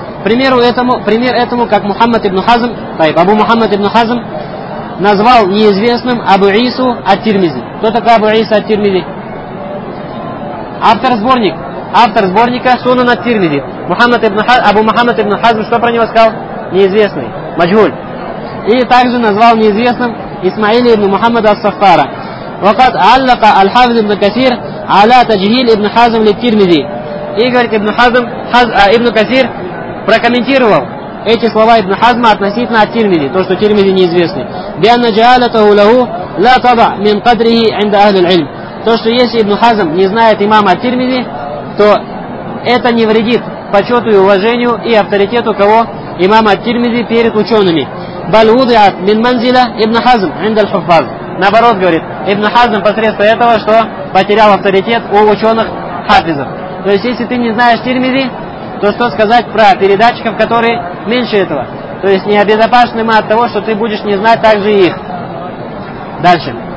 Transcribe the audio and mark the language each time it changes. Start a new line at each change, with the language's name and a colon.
Russian: Пример этому, как Мухаммад ибн Хазм, Абу Мухаммад ибн Хазм назвал неизвестным Абу Ису ат-Тирмизи. Кто такой Абу Ису ат-Тирмизи? Автор сборника Сунан ат-Тирмизи. Абу Мухаммад ибн Хазм что про него сказал? Неизвестный, маджхуль. И также назвал неизвестным Исмаиля ибн Мухаммада ас-Саффара.
Arabic: وقد علق الحافظ ابن كثير على تجهيل ابن حازم للترمذي.
Russian: И говорит ибн Хазм, ибн Касир прокомментировал эти слова Ибн Хазма относительно ат-Тирмизи, то, что Тирмизи неизвестный.
Arabic: بأن جهالته له لا تضع من قدره عند أهل العلم.
Russian: То, что если Ибн Хазм не знает имама ат-Тирмизи, то это не вредит почету и уважению и авторитету кого? Имама ат-Тирмизи перед учеными.
Arabic: بل وضعت من منزلة Ибн Хазм عند الحفاظ.
Russian: Наоборот, говорит, Ибн Хазм посредством этого, что потерял авторитет у ученых хафизов. То есть, если ты не знаешь Тирмизи, то что сказать про передатчиков, которые меньше этого? То есть не обезопасны мы от того, что ты будешь не знать также их. Дальше.